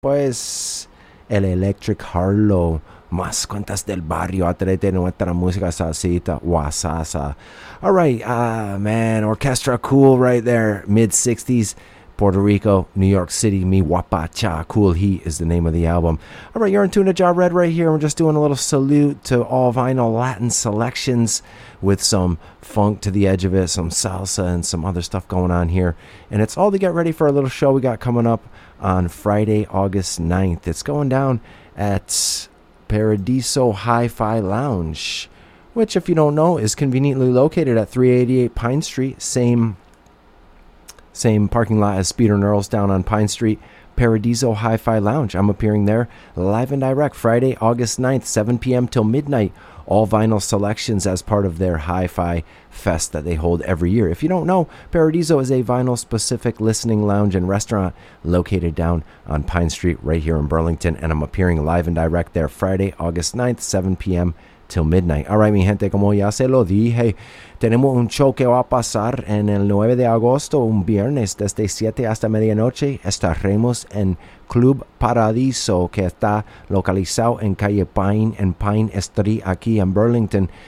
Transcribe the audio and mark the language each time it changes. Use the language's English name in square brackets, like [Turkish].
[Spanish] Pues el Electric Harlow, más cuentas del barrio, atrévete nuestra música salsita, guasasa. [English] All right, man, orchestra cool right there, mid-60s, Puerto Rico, New York City, mi guapacha, Cool Heat is the name of the album. All right, you're in tune to Ja Red right here. We're just doing a little salute to all vinyl Latin selections with some funk to the edge of it, some salsa and some other stuff going on here. And it's all to get ready for a little show we got coming up on Friday, August 9th. It's going down at Paradiso Hi-Fi Lounge, which, if you don't know, is conveniently located at 388 Pine Street, same parking lot as Speeder and Earl's down on Pine Street, Paradiso Hi-Fi Lounge. I'm appearing there live and direct Friday, August 9th, 7 p.m. till midnight. All vinyl selections as part of their Hi-Fi Fest that they hold every year. If you don't know, Paradiso is a vinyl-specific listening lounge and restaurant located down on Pine Street right here in Burlington, and I'm appearing live and direct there Friday, August 9th, 7 p.m. till midnight. [Spanish] All right, mi gente, como ya se lo dije, tenemos un show que va a pasar en el 9 de agosto, un viernes, desde 7 hasta medianoche. Estaremos en Club Paradiso, que está localizado en calle Pine and Pine Street, aquí en Burlington.